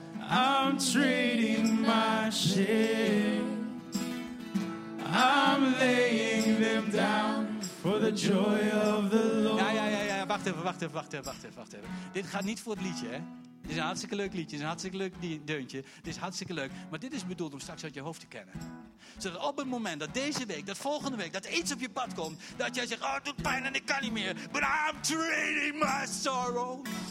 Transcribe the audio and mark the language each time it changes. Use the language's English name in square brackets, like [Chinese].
[English] I'm trading my shame. I'm laying them down for the joy of the Lord. [Dutch] Ja, wacht even. Dit gaat niet voor het liedje, hè? Dit is een hartstikke leuk liedje, het is een hartstikke leuk deuntje. Dit is hartstikke leuk, maar dit is bedoeld om straks uit je hoofd te kennen. Zodat op het moment dat deze week, dat volgende week, dat iets op je pad komt, dat jij zegt, oh, het doet pijn en ik kan niet meer. [English] But I'm trading my sorrow.